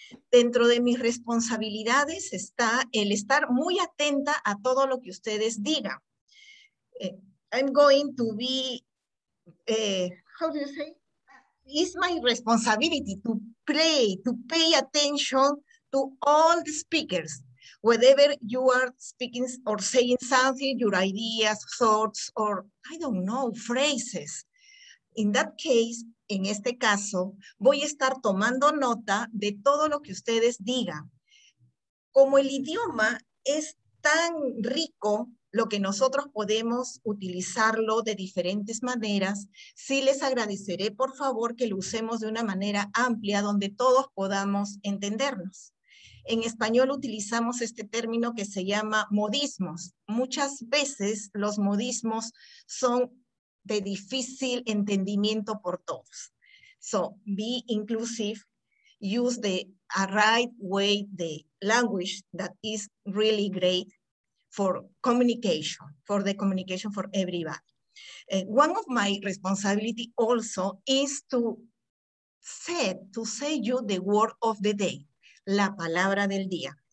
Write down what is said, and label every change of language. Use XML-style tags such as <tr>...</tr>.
<es>Dentro de mis responsabilidades está el estar muy atenta a todo lo que ustedes digan.</es> <en>I'm going to be, how do you say? It's my responsibility to play, to pay attention to all the speakers. Whatever you are speaking or saying something, your ideas, thoughts, or I don't know, phrases. In that case,</en> <es>en este caso, voy a estar tomando nota de todo lo que ustedes digan. Como el idioma es tan rico, lo que nosotros podemos utilizarlo de diferentes maneras, sí les agradeceré, por favor, que lo usemos de una manera amplia donde todos podamos entendernos. En español utilizamos este término que se llama modismos. Muchas veces los modismos son de difícil entendimiento por todos.</es> <en>So, be inclusive, use the right way, the language that is really great for communication, for the communication for everybody. One of my responsibility also is to say you the word of the day,</en> <es>la palabra del día.</es>